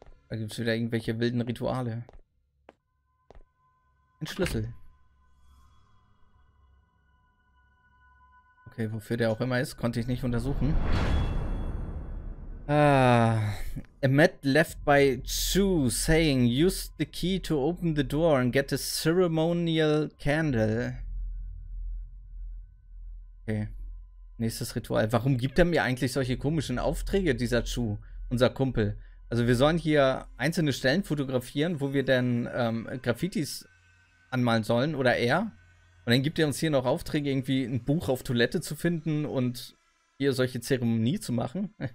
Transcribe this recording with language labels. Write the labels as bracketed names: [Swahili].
[German] Da gibt's wieder irgendwelche wilden Rituale. Ein Schlüssel. Okay, wofür der auch immer ist, konnte ich nicht untersuchen. [English] A mat left by Chu saying, use the key to open the door and get a ceremonial candle. [German] Okay. Nächstes Ritual. Warum gibt er mir eigentlich solche komischen Aufträge, dieser Chu, unser Kumpel? Also wir sollen hier einzelne Stellen fotografieren, wo wir dann Graffitis anmalen sollen, oder er. Und dann gibt er uns hier noch Aufträge, irgendwie ein Buch auf Toilette zu finden und hier solche Zeremonie zu machen.